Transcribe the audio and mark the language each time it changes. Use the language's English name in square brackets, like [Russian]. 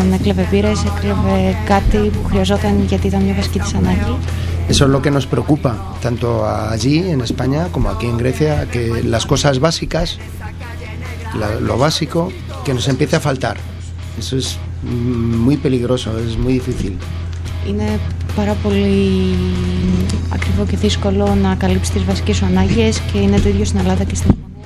[Greek] Δεν έκλεβε πύρες, έκλεβε κάτι που χρειαζόταν γιατί ήταν μια βασική της ανάγκη. [Spanish] Eso es lo que nos preocupa, tanto allí en España como aquí en Grecia, que las cosas básicas, lo básico, que nos empiece a faltar. Eso es muy peligroso, es muy difícil. [Greek] Είναι πάρα πολύ ακριβό και δύσκολο να καλύψει τις βασικές σου ανάγκες και είναι το ίδιο στην Ελλάδα και στην Ισπανία.